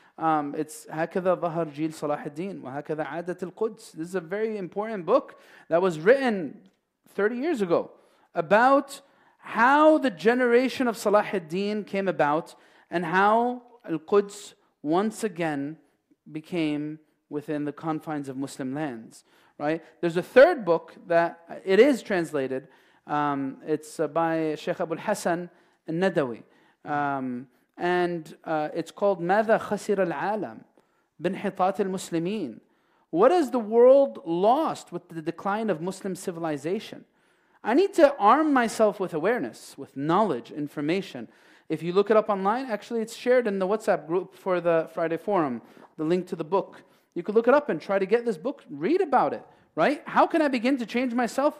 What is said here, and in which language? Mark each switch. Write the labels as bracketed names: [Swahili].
[Arabic] It's هكذا ظهر جيل صلاح الدين وهكذا عادة القدس. [English] This is a very important book that was written 30 years ago about how the generation of صلاح الدين came about and how Al-Quds once again became within the confines of Muslim lands, right? There's a third book that it is translated. It's by Sheikh Abu al-Hasan al-Nadawi. It's called [Arabic] ماذا خسر العالم بانحطاط المسلمين. [English] What has the world lost with the decline of Muslim civilization? I need to arm myself with awareness, with knowledge, information. If you look it up online, actually it's shared in the WhatsApp group for the Friday Forum, the link to the book. You could look it up and try to get this book, read about it, right? How can I begin to change myself?